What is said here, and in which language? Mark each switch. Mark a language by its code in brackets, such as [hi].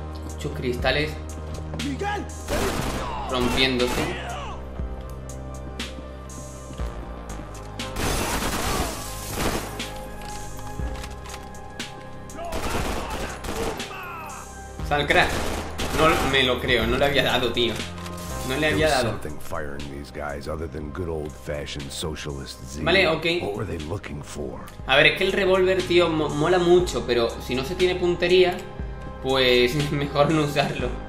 [es] Muchos cristales rompiéndose. Sal, crack. No me lo creo, no le había dado, tío. No le había dado. [en] Something firing these guys other than good old fashioned socialist zeal. Vale, okay. What were they looking for? [es] A ver, es que el revólver, tío, mola mucho, pero si no se tiene puntería, pues mejor no usarlo.